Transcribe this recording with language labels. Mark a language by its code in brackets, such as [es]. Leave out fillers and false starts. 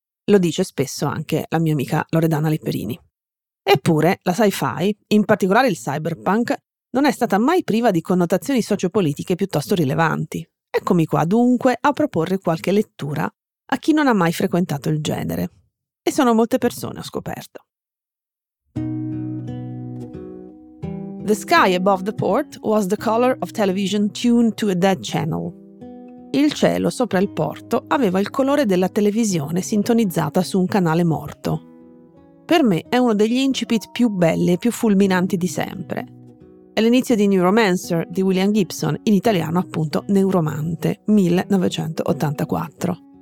[it] Lo dice spesso anche la mia amica Loredana Lipperini. Eppure, la sci-fi, in particolare il cyberpunk, non è stata mai priva di connotazioni sociopolitiche piuttosto rilevanti. Eccomi qua dunque a proporre qualche lettura a chi non ha mai frequentato il genere. E sono molte persone, ho scoperto. [en] The sky above the port was the color of television tuned to a dead channel. [it] Il cielo sopra il porto aveva il colore della televisione sintonizzata su un canale morto. Per me è uno degli incipit più belli e più fulminanti di sempre. È l'inizio di Neuromancer di William Gibson, in italiano appunto Neuromante, 1984.